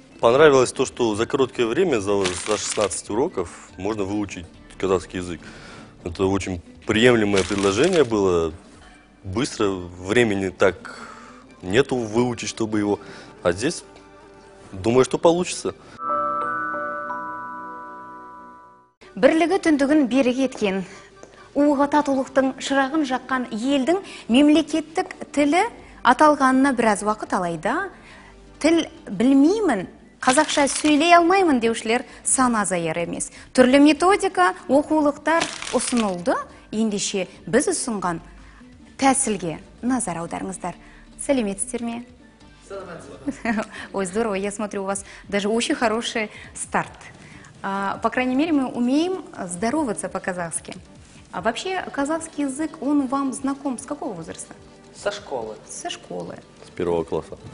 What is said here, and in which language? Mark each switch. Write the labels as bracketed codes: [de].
[ru] Понравилось то, что за короткое время, за 16 уроков, можно выучить казахский язык. Это очень приемлемое предложение было. Быстро, времени так нету выучить, чтобы его. А здесь, думаю, что получится. [kk] Бірлігі түндігін береге еткен, уға татулықтың шырағын жаққан елдің мемлекеттік тілі аталғанына біраз уақыт алайда, тіл білмеймін, қазақша сөйлей алмаймын деушілер сан азаяр емес. Түрлі методика, оқулықтар ұсынылды. Ендеше біз ұсынған тәсілге назар аударыңыздар. Сәлеметсіздер ме? [ru] Ой, здорово, я смотрю, у вас даже очень хороший старт. По крайней мере, мы умеем здороваться по-казахски. А вообще, казахский язык, он вам знаком с какого возраста? Со школы. Со школы. С первого класса.